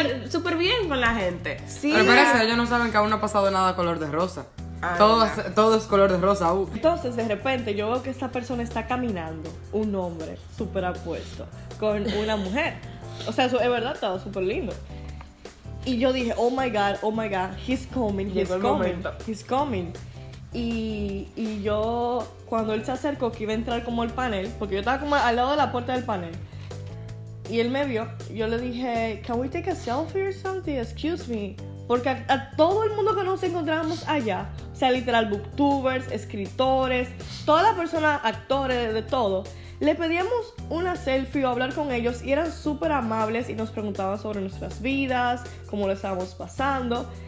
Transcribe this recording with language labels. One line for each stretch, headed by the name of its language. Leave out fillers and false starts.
Spanish: súper bien con la gente. Sí. Pero espérense, ellos no saben que aún no ha pasado nada color de rosa. Todo es color de rosa. Entonces, de repente, yo veo que esta persona está caminando, un hombre súper apuesto, con una mujer. O sea, es verdad, estaba súper lindo. Y yo dije,
English: oh my God, he's coming, he's
Spanish: llegó
English: coming,
Spanish: el momento.
English: He's coming.
Spanish: Y yo, cuando él se acercó, que iba a entrar como al panel, porque yo estaba como al lado de la puerta del panel, y él me vio, yo le dije,
English: can we take a selfie or something? Excuse me.
Spanish: Porque a todo el mundo que nos encontrábamos allá, o sea, literal, booktubers, escritores, toda la persona, actores, de todo, le pedíamos una selfie o hablar con ellos, y eran súper amables y nos preguntaban sobre nuestras vidas, cómo lo estábamos pasando.